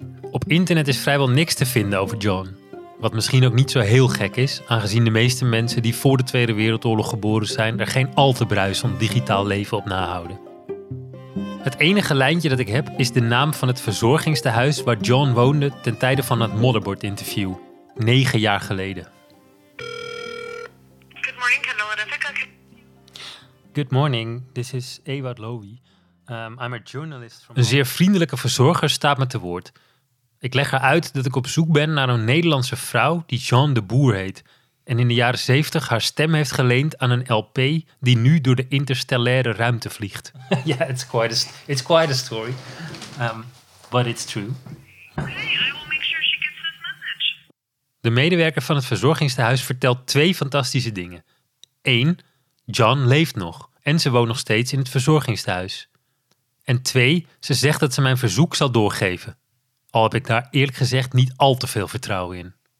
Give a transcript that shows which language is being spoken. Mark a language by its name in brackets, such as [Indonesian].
[Dutch] Op internet is vrijwel niks te vinden over John. Wat misschien ook niet zo heel gek is, aangezien de meeste mensen die voor de Tweede Wereldoorlog geboren zijn er geen al te bruisend digitaal leven op nahouden. Het enige lijntje dat ik heb is de naam van het verzorgingstehuis waar John woonde ten tijde van het Motherboard interview, 9 jaar geleden. [English] Good morning, hello, and I think I can... Good morning, this is Ewout Lowy. I'm a journalist from... [Dutch] Een zeer vriendelijke verzorger staat me te woord. Ik leg haar uit dat ik op zoek ben naar een Nederlandse vrouw die John de Boer heet en in de jaren 70 haar stem heeft geleend aan een LP die nu door de interstellaire ruimte vliegt. [English] Yeah, it's quite a story, but it's true. Okay, I will make sure she gets this message. [Dutch] De medewerker van het verzorgingstehuis vertelt 2 fantastische dingen. 1. John leeft nog en ze woont nog steeds in het verzorgingstehuis. En 2, ze zegt dat ze mijn verzoek zal doorgeven. Al heb ik daar eerlijk gezegd niet al te veel vertrouwen in.